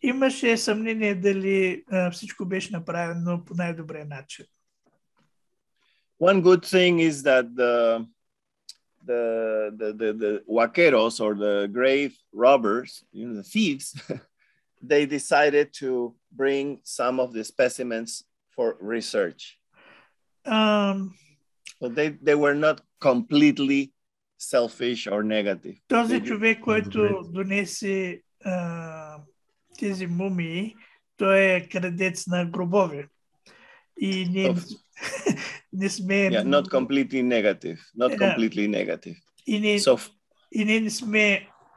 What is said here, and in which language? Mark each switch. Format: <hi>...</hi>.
<bg>Имаше съмнение дали всичко беше направено по най-добрия начин.</bg> <en>One good thing is that the vaqueros or the grave robbers, you know, the thieves, they decided to bring some of the specimens for research. But they were not completely selfish or negative.</en> <bg>Този човек, който донесе тези мумии, той е крадец на гробове. И ние не сме...</bg> <en>Yeah, not completely negative. Not completely negative.</en> <bg>И ние не сме...</bg>